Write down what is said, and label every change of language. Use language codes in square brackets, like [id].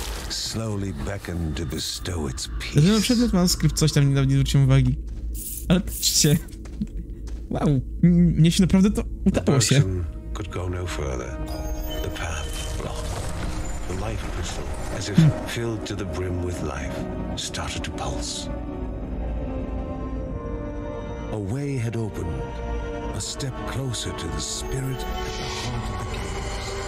[en] Slowly beckon to bestow its peace. [pl] Zresztą przedmiot manuskrypt coś tam niedawno nie zwrócił uwagi. Ale patrzcie. Wow, mnie się naprawdę to udało się. [en] Could go no further. The path blocked. The life crystal, as if filled to the brim with life, started to pulse. A way had opened. A step closer to the spirit at the heart of the caves.